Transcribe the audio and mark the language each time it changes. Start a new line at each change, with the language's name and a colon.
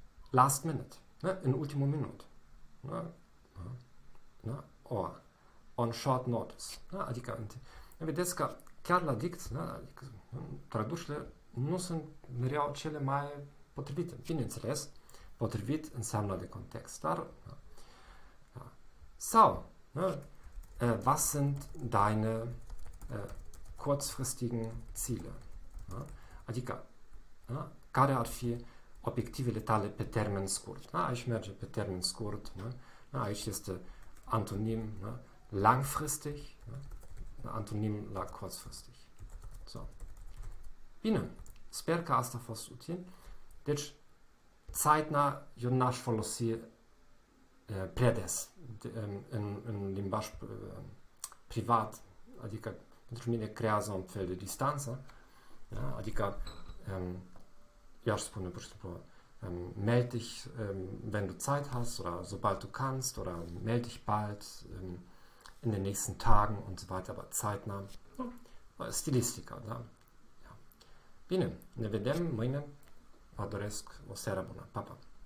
English: Last minute,
Romanian: ne? În ultimul minut. Ne? Ne?
English: Or, on short notice. Ne?
Romanian: Adică, vedeți că chiar la dict, adică, tradușile nu sunt mereu cele mai potrivite. Bineînțeles, potrivit înseamnă de context, dar da. Sau, ne,
German: was sind deine kurzfristigen Ziele?
Romanian: Da? Adică, da? Care ar fi obiectivele tale pe termen scurt? Da? Aici merge pe termen scurt, da? Aici este antonim, da?
German: Langfristig, da?
Romanian: Antonim la kurzfristig.
German: So.
Romanian: Bine, sper că asta a fost util. Deci, zeitnah, eu n-aș folosi prea des în limbaj privat, adică pentru mine creează un fel de distanță, da? Adică eu aș spune, pur și simplu,
German: meld dich, wenn du Zeit hast, oder sobald du kannst, oder meld dich bald, in den nächsten Tagen und so weiter, aber zeitnah, Stilistica, da?
Romanian: Ja. Bine, ne vedem mâine. Vă doresc o seară bună. Pa, pa!